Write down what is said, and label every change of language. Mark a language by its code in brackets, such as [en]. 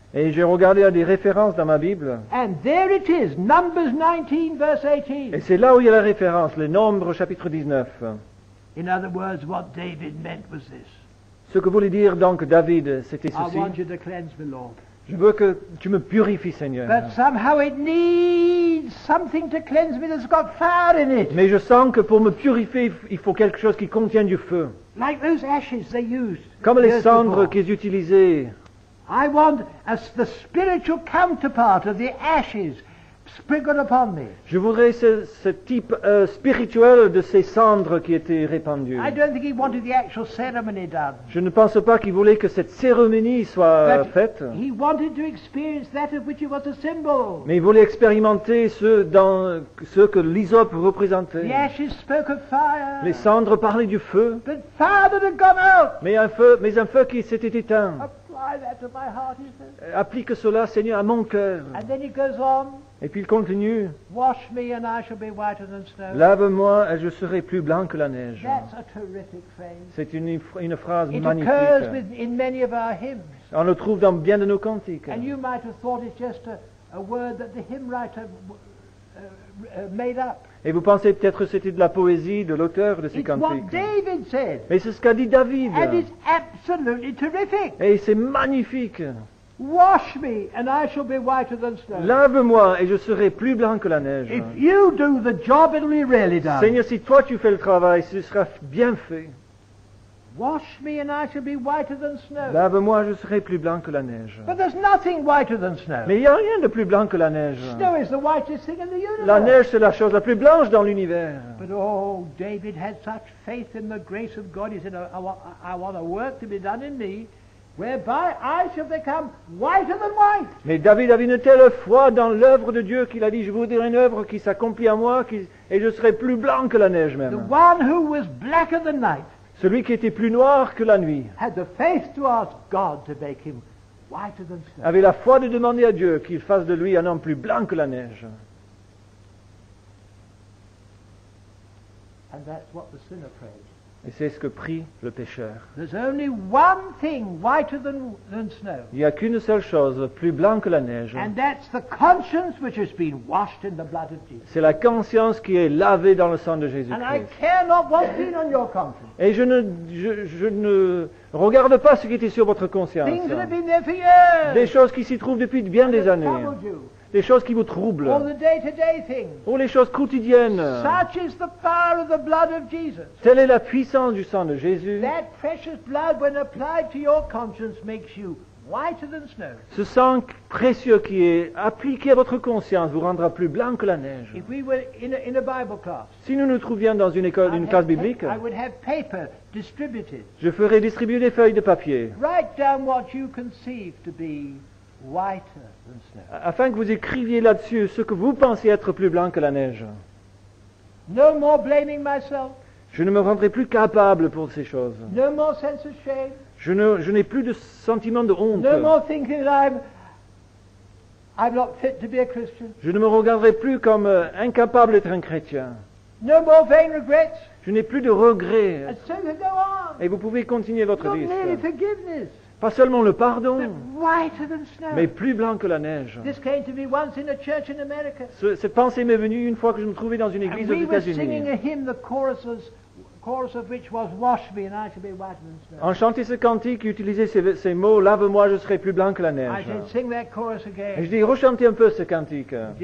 [fr] Et j'ai regardé à des références dans ma Bible. [en] And there it is, Numbers 19, verse 18. [fr] Et c'est là où il y a la référence, les Nombres chapitre 19. [en] In other words, what David meant was this. [fr] Ce que voulait dire donc David, c'était ceci. [en] I want you to cleanse me, Lord. [fr] Je veux que tu me purifies, Seigneur. [en] But somehow it needs something to cleanse me that's got fire in it. [fr] Mais je sens que pour me purifier, il faut quelque chose qui contienne du feu. [en] Like those ashes they used. [fr] Comme les cendres qu'ils utilisaient. [en] I want as the spiritual counterpart of the ashes sprinkled upon me. [fr] Je voudrais ce type spirituel de ces cendres qui étaient répandues. [en] I don't think he wanted the actual ceremony done. [fr] Je ne pense pas qu'il voulait que cette cérémonie soit [en] But [fr] faite. [en] He wanted to experience that of which it was a symbol. [fr] Mais il voulait expérimenter ce que l'hysope représentait. [en] The ashes spoke of fire. [fr] Les cendres parlaient du feu. [en] But fire that had gone out. [fr] Mais un feu qui s'était éteint. [en] Apply that to my heart, he says. [fr] Applique cela, Seigneur, à mon cœur. [en] And then he goes on. [fr] Et puis il continue. [en] Wash me and I shall be whiter than snow. [fr] Lave-moi et je serai plus blanc que la neige. [en] That's a terrific phrase. [fr] C'est une phrase [en] it [fr] magnifique. [en] Occurs with, in many of our hymns. [fr] On le trouve dans bien de nos cantiques. [en] And you might have thought it's just a word that the hymn writer made up. [fr] Et vous pensez peut-être que c'était de la poésie de l'auteur de ces [en] it's [fr] cantiques. [en] What David said. [fr] Mais c'est ce qu'a dit David. [en] And it's absolutely terrific. [fr] Et c'est magnifique. [en] Wash me and I shall be whiter than snow. [fr] Lave-moi et je serai plus blanc que la neige. [en] If you do the job, it'll be really done. [fr] Seigneur, si toi tu fais le travail, ce sera bien fait. [en] Wash me and I shall be whiter than snow. [fr] Lave-moi, je serai plus blanc que la neige. [en] But there's nothing whiter than snow. [fr] Mais il n'y a rien de plus blanc que la neige. [en] Snow is the whitest thing in the universe. [fr] La neige, c'est la chose la plus blanche dans l'univers. [en] But oh, David had such faith in the grace of God. He said, I want a work to be done in me. Whereby I shall become whiter than white. [fr] Mais David avait une telle foi dans l'œuvre de Dieu qu'il a dit, je voudrais une œuvre qui s'accomplit à moi et je serai plus blanc que la neige même. [en] The one who was blacker than night. [fr] Celui qui était plus noir que la nuit. [en] Had the faith to ask God to make him whiter than snow. [fr] Avait la foi de demander à Dieu qu'il fasse de lui un homme plus blanc que la neige. [en] And that's what the sinner prayed. [fr] Et c'est ce que prie le pécheur. [en] There's only one thing whiter than snow. [fr] Il n'y a qu'une seule chose plus blanc que la neige. [en] And that's the conscience which has been washed in the blood of Jesus. [fr] C'est la conscience qui est lavée dans le sang de Jésus-Christ. [en] And I care not what's been on your conscience. [fr] Et je ne regarde pas ce qui était sur votre conscience. [en] Things that have been there for years. [fr] Des choses qui s'y trouvent depuis bien [en] and [fr] des années. [en] Troubled you. [fr] Les choses qui vous troublent. [en] All the day-to-day things. [fr] Ou les choses quotidiennes. [en] Such is the power of the blood of Jesus. [fr] Telle est la puissance du sang de Jésus. [en] That precious blood, when applied to your conscience, makes you whiter than snow. [fr] Ce sang précieux qui est appliqué à votre conscience vous rendra plus blanc que la neige. [en] If we were in a Bible class, [fr] si nous nous trouvions dans une école, une classe biblique, [en] I would have paper distributed. [fr] Je ferais distribuer des feuilles de papier. [en] Write down what you conceive to be whiter. [fr] Afin que vous écriviez là-dessus ce que vous pensiez être plus blanc que la neige. [en] No more blaming myself. [fr] Je ne me rendrai plus capable pour ces choses. [en] No more sense of shame. [fr] Je n'ai plus de sentiment de honte. [en] No more thinking that I'm not fit to be a Christian. [fr] Je ne me regarderai plus comme incapable d'être un chrétien. [en] No more vain regrets. [fr] Je n'ai plus de regrets. [en] And so you go on. [fr] Et vous pouvez continuer votre liste. [en] Not merely forgiveness. [fr] Pas seulement le pardon, [en] whiter than snow. [fr] Mais plus blanc que la neige. [en] This came to me once in a church in America. [fr] Cette pensée m'est venue une fois que je me trouvais dans une église [en] and [fr] aux États-Unis. [en] We were singing a hymn, the chorus of which was "Wash me and I shall be whiter than snow." [fr] En chantant ce cantique, utilisait ces mots "Lave-moi, je serai plus blanc que la neige." [en] I said, "Sing that chorus again." [fr] Et je dis, rechantez un peu ce cantique.